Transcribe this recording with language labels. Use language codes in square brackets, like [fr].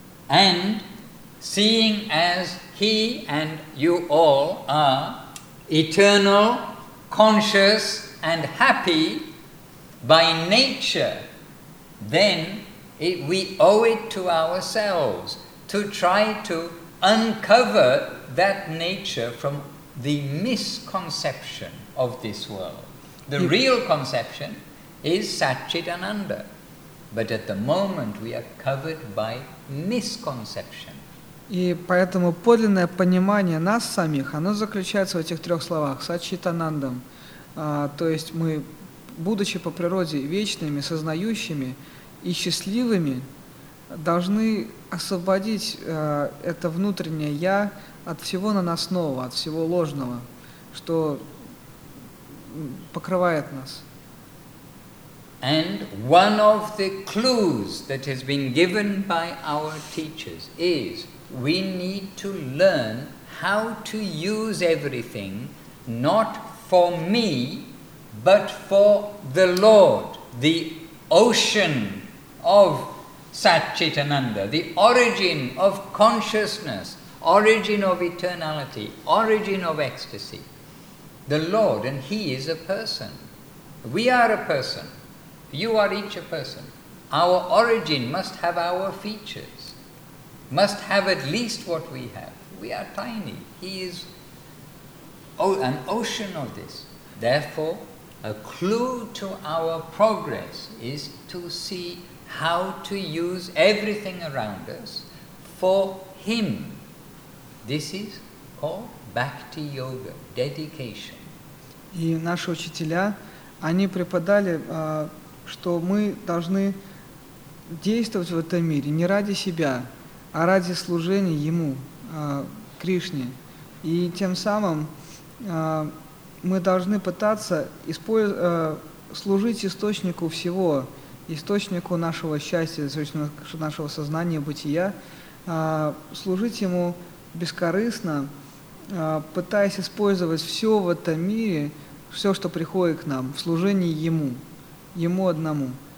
[en] And seeing as he and you all are eternal, conscious and happy by nature, then we owe it to ourselves to try to uncover that nature from the misconception of this world. The real conception is Satchitananda. But at the moment we are covered by misconception. [ru] И поэтому подлинное понимание нас самих, оно заключается в этих трех словах: сатчитанандам, то есть мы, будучи по природе вечными, сознающими и счастливыми, должны освободить это внутреннее я от всего наносного, от всего ложного, что покрывает нас. [en] And one of the clues that has been given by our teachers is we need to learn how to use everything not for me, but for the Lord, the ocean of Satchitananda, the origin of consciousness, origin of eternality, origin of ecstasy. The Lord, and He is a person. We are a person. You are each a person. Our origin must have our features, must have at least what we have. We are tiny. He is an ocean of this. Therefore, a clue to our progress is to see how to use everything around us for Him. This is called Bhakti Yoga, dedication. [ru] И наши учителя, они преподали, что мы должны действовать в этом мире не ради себя, а ради служения Ему, Кришне. И тем самым мы должны пытаться служить источнику всего, источнику нашего счастья, источнику нашего сознания, бытия, служить Ему бескорыстно, пытаясь использовать все в этом мире, все, что приходит к нам, в служении Ему. Ему одному.